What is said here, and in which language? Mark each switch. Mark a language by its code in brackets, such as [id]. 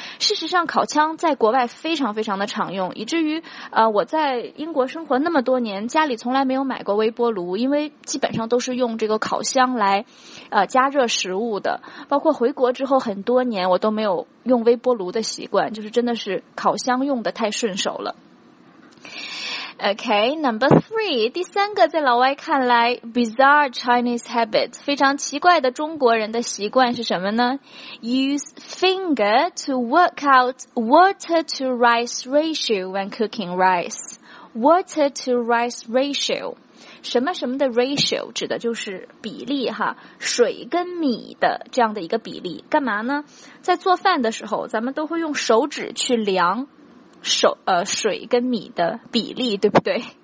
[zh] 事实上烤箱在国外非常非常的常用，以至于我在英国生活那么多年，家里从来没有买过微波炉，因为基本上都是用这个烤箱来加热食物的，包括回国之后很多年我都没有用微波炉的习惯，就是真的是烤箱用的太顺手了。 [en] Okay, number three, [zh] 第三个在老外看来 [en] bizarre Chinese habit, [zh] 非常奇怪的中国人的习惯是什么呢？ [en] Use finger to work out water to rice ratio when cooking rice. Water to rice ratio, [zh] 什么什么的 ratio 指的就是比例哈，水跟米的这样的一个比例，干嘛呢？在做饭的时候咱们都会用手指去量水跟米的比例，对不对？